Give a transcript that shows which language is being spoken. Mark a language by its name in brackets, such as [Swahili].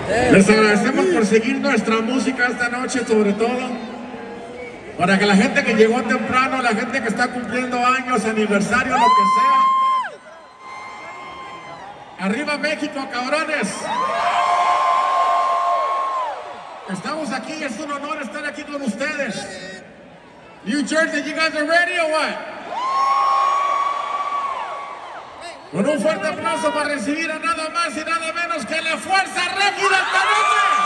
[Spanish] Les agradecemos por seguir nuestra música esta noche, sobre todo para que la gente que llegó temprano, la gente que está cumpliendo años, aniversario, lo que sea. ¡Arriba México, cabrones! Estamos aquí, es un honor estar aquí con ustedes. [English] New Jersey, you guys are ready or what? [Spanish] Con un fuerte aplauso para recibir a nada más y nada menos que la Fuerza Regida esta noche.